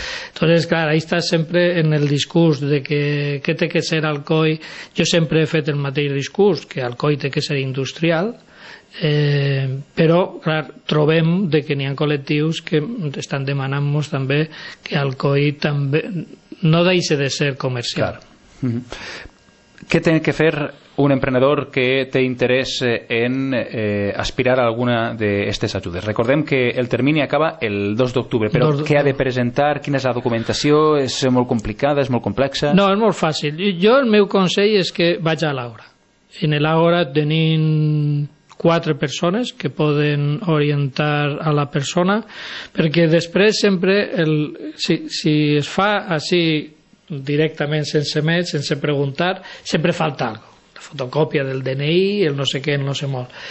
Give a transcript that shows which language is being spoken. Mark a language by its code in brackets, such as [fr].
[es] Entonces, [ca] clar, [es] ahí [ca] estàs sempre en el discurs de que té que ser Alcoi. Jo sempre he fet el mateix discurs, que Alcoi té que ser industrial, però clar, trobem de que n'hi ha col·lectius que estan demanant-nos també que Alcoi també no deixi de ser comercial. Clar. [es] ¿Qué tiene que hacer un emprendedor que te interese en aspirar a alguna de estas ayudas? Recordemos que el término acaba el 2 de octubre, pero ¿qué ha de presentar? ¿Quién es la documentación? ¿Es muy complicada? ¿Es muy complexa? No, es muy fácil. Yo, [ca] el meu [es] consejo es que vaya a la hora. [ca] En la hora tenim 4 persones que poden orientar a la persona, perquè després sempre si es fa així directament sense més, sense preguntar, sempre falta algo, la fotocòpia del DNI, el no sé què, el no sé molt.